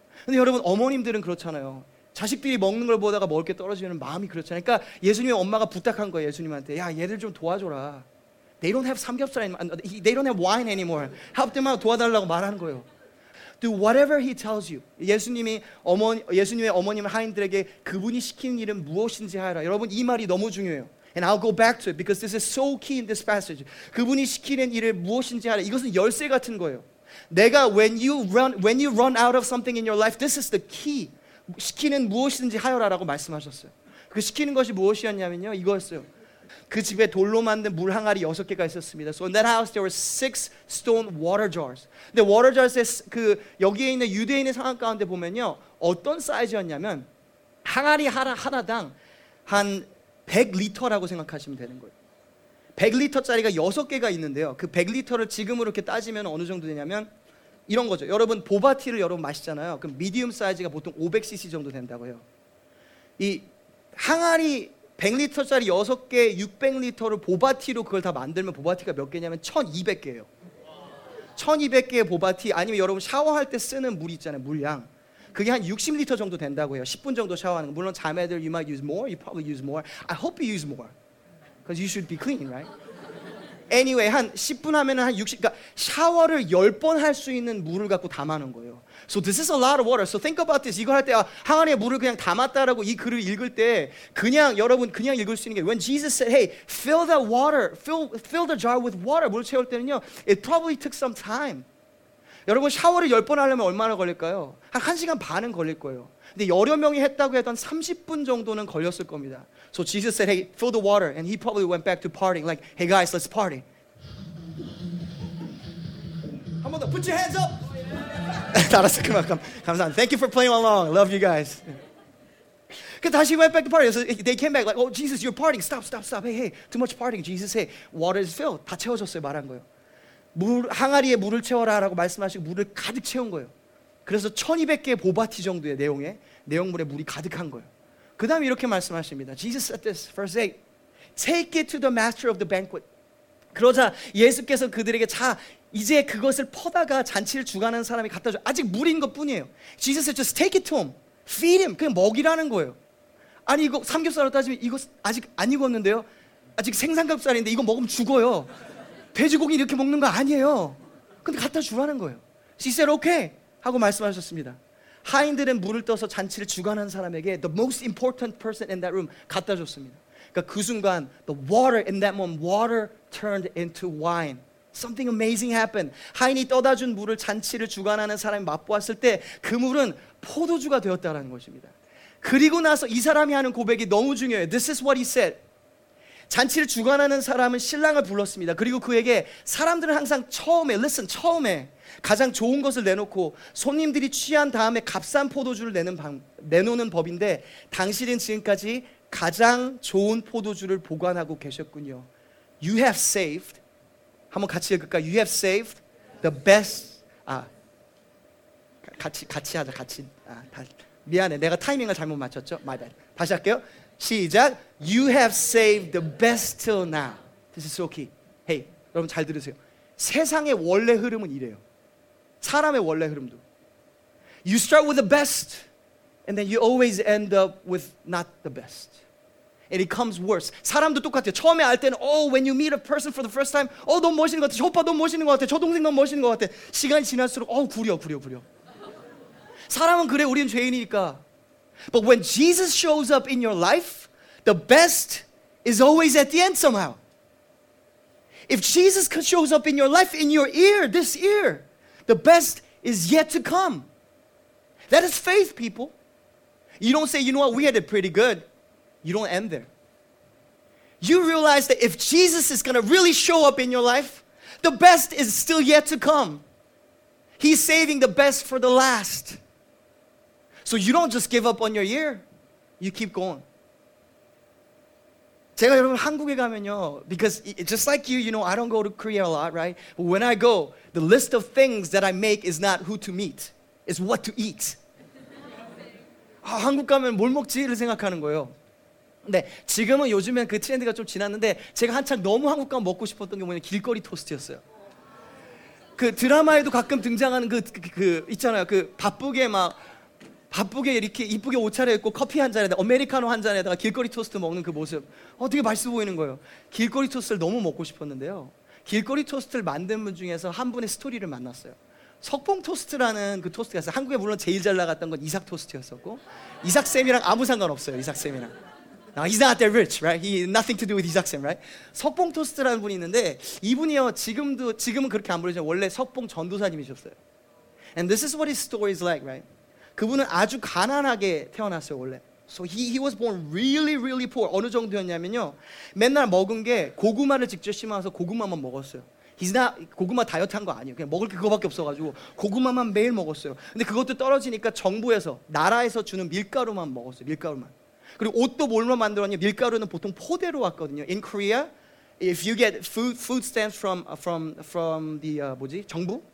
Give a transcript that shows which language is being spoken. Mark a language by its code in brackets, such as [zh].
[ko] 근데 여러분 어머님들은 그렇잖아요. 자식들이 먹는 걸 보다가 먹을 게 떨어지면 마음이 그렇잖아요. 그러니까 예수님의 엄마가 부탁한 거예요 예수님한테. 야 얘들 좀 도와줘라. [en] They don't have 삼겹살 anymore. They don't have wine anymore. Help them out. [ko] 도와달라고 말하는 거예요. [en] Do whatever he tells you. [ko] 예수님이 예수님의 어머님 하인들에게 그분이 시키는 일은 무엇인지 하라. 여러분 이 말이 너무 중요해요. [en] And I'll go back to it because this is so key in this passage. [ko] 그분이 시키는 일을 무엇인지 하라. 이것은 열쇠 같은 거예요. 내가 [en] when you run out of something in your life, this is the key. [ko] 시키는 무엇인지 하여라라고 말씀하셨어요. 그 시키는 것이 무엇이었냐면요, 이거였어요. 그 집에 돌로 만든 물항아리 여섯 개가 있었습니다. [en] So in that house there were six stone water jars. [ko] 근데 water jars의 그 여기에 있는 유대인의 상황 가운데 보면요, 어떤 사이즈였냐면 항아리 하나당 한 100리터라고 생각하시면 되는 거예요. 100리터짜리가 6개가 있는데요. 그 100리터를 지금으로 이렇게 따지면 어느 정도 되냐면 이런 거죠. 여러분 보바티를 여러분 마시잖아요. 그럼 미디움 사이즈가 보통 500cc 정도 된다고요. 이 항아리 100리터짜리 6개 600리터를 보바티로 그걸 다 만들면 보바티가 몇 개냐면 1200개예요. 1200개의 보바티 아니면 여러분 샤워할 때 쓰는 물 있잖아요. 물량. 그게 한 60리터 정도 된다고 해요. 10분 정도 샤워하는 거. 물론 자매들 [en] you might use more, you probably use more. I hope you use more. Because you should be clean, right? [ko] Anyway, 한 10분 하면 한 60, 그러니까 샤워를 10번 할 수 있는 물을 갖고 담아놓은 거예요. [en] So this is a lot of water. So think about this. [ko] 이거 할 때 아, 항아리에 물을 그냥 담았다라고 이 글을 읽을 때 그냥 여러분 그냥 읽을 수 있는 게 [en] When Jesus said, hey, fill the water, fill the jar with water. [ko] 물을 채울 때는요, [en] it probably took some time. [ko] 여러분 샤워를 10번 하려면 얼마나 걸릴까요? 한 1시간 반은 걸릴 거예요. 근데 여러 명이 했다고 해도 한 30분 정도는 걸렸을 겁니다. [en] So Jesus said, hey, fill the water. And he probably went back to partying. Like, hey guys, let's party. [ko] 한 번 더. [en] Put your hands up. [ko] 알았어. 그만큼. 감사합니다. [en] Thank you for playing along. Love you guys. [ko] 그 다시 [en] went back to party. So they came back like, oh, Jesus, you're partying. Stop, stop, stop. Hey, hey, too much partying. Jesus, hey, water is filled. [ko] 다 채워졌어요, 말한 거예요. 물, 항아리에 물을 채워라 라고 말씀하시고 물을 가득 채운 거예요. 그래서 1200개의 보바티 정도의 내용의 내용물에 물이 가득한 거예요. 그 다음에 이렇게 말씀하십니다. [en] Jesus said this, verse 8, Take it to the master of the banquet. [ko] 그러자 예수께서 그들에게 자, 이제 그것을 퍼다가 잔치를 주관하는 사람이 갖다 줘. 아직 물인 것뿐이에요. [en] Jesus said, just take it to him. Feed him. [ko] 그냥 먹이라는 거예요. 아니, 이거 삼겹살로 따지면 이거 아직 안 익었는데요. 아직 생삼겹살인데 이거 먹으면 죽어요. 돼지고기 이렇게 먹는 거 아니에요. 근데 갖다 주라는 거예요. [en] She said, okay. [ko] 하고 말씀하셨습니다. 하인들은 물을 떠서 잔치를 주관한 사람에게 [en] the most important person in that room [ko] 갖다 줬습니다. 그러니까 그 순간 [en] the water in that moment, water turned into wine. Something amazing happened. [ko] 하인이 떠다 준 물을 잔치를 주관하는 사람이 맛보았을 때 그 물은 포도주가 되었다라는 것입니다. 그리고 나서 이 사람이 하는 고백이 너무 중요해요. [en] This is what he said. [ko] 잔치를 주관하는 사람은 신랑을 불렀습니다. 그리고 그에게 사람들은 항상 처음에, [en] listen, [ko] 처음에 가장 좋은 것을 내놓고 손님들이 취한 다음에 값싼 포도주를 내놓는 법인데 당신은 지금까지 가장 좋은 포도주를 보관하고 계셨군요. [en] You have saved, [ko] 한번 같이 읽을까요? [en] You have saved the best, [ko] 아, 같이 하자, 같이. 아, 다, 미안해, 내가 타이밍을 잘못 맞췄죠? [en] My bad. [ko] 다시 할게요. 시작. [en] You have saved the best till now. This is so key. [ko] Hey, 여러분 잘 들으세요. 세상의 원래 흐름은 이래요. 사람의 원래 흐름도. [en] You start with the best, and then you always end up with not the best. And it comes worse. [ko] 사람도 똑같아요. 처음에 알 때는, [en] oh, when you meet a person for the first time, oh, [ko] 너무 멋있는 것 같아. 저 오빠 너무 멋있는 것 같아. 저 동생 너무 멋있는 것 같아. 시간이 지날수록, oh, 구려. 사람은 그래, 우리는 죄인이니까. [en] But when Jesus shows up in your life, the best is always at the end somehow. If Jesus shows up in your life, in your ear, this ear, the best is yet to come. That is faith, people. You don't say, you know what, we had it pretty good. You don't end there. You realize that if Jesus is going to really show up in your life, the best is still yet to come. He's saving the best for the last. So you don't just give up on your year. You keep going. [ko] 제가 여러분 한국에 가면요. [en] Because just like you, you know, I don't go to Korea a lot, right? But when I go, the list of things that I make is not who to meet. It's what to eat. [ko] 아, 한국 가면 뭘 먹지를 생각하는 거예요. 근데 지금은 요즘엔 그 트렌드가 좀 지났는데 제가 한창 너무 한국 가면 먹고 싶었던 게 뭐냐면 길거리 토스트였어요. 그 드라마에도 가끔 등장하는 그 있잖아요. 그 바쁘게 막 바쁘게 이렇게 이쁘게 옷 차려입고 커피 한 잔에다가 아메리카노 한 잔에다가 길거리 토스트 먹는 그 모습 되게 맛있어 보이는 거예요. 길거리 토스트를 너무 먹고 싶었는데요. 길거리 토스트를 만든 분 중에서 한 분의 스토리를 만났어요. 석봉 토스트라는 그 토스트가 있어요. 한국에 물론 제일 잘 나갔던 건 이삭 토스트였었고 이삭 쌤이랑 아무 상관없어요. 이삭 쌤이랑 [en] Now, he's not that rich, right? He nothing to do with 이삭 쌤, right? [ko] 석봉 토스트라는 분이 있는데 이분이요 지금은 그렇게 안 부르지만 원래 석봉 전도사님이셨어요. [en] And this is what his story is like, right? [ko] 그분은 아주 가난하게 태어났어요, 원래. [en] So he was born really, really poor. [ko] 어느 정도였냐면요. 맨날 먹은 게 고구마를 직접 심어서 고구마만 먹었어요. [en] He's not, [ko] 고구마 다이어트 한 거 아니에요. 그냥 먹을 게 그거밖에 없어가지고 고구마만 매일 먹었어요. 근데 그것도 떨어지니까 정부에서, 나라에서 주는 밀가루만 먹었어요, 밀가루만. 그리고 옷도 뭘로 만들었냐? 밀가루는 보통 포대로 왔거든요. [en] In Korea, if you get food stamps from the 정부?